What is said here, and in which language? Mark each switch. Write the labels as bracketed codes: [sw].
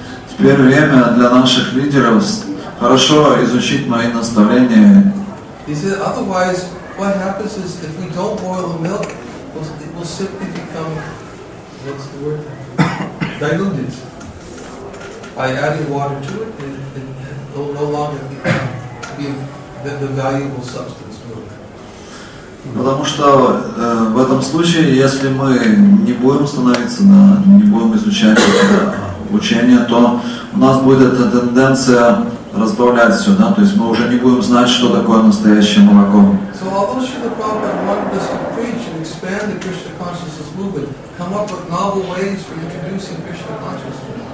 [ru] Теперь время для наших лидеров хорошо изучить мои наставления. [en] He said, otherwise, what happens is if we don't boil the milk, it will simply become what's the word? Diluted. By adding water to it, it will no longer become the valuable substance. [ru] Потому что в этом случае, если мы не будем становиться на, не будем изучать это учение, то у нас будет эта тенденция разбавлять все, да, то есть мы уже не будем знать, что такое настоящее молоко. [en] So although Srila Prabhupada wanted us to preach and expand the Krishna consciousness movement, come up with novel ways for introducing Krishna consciousness.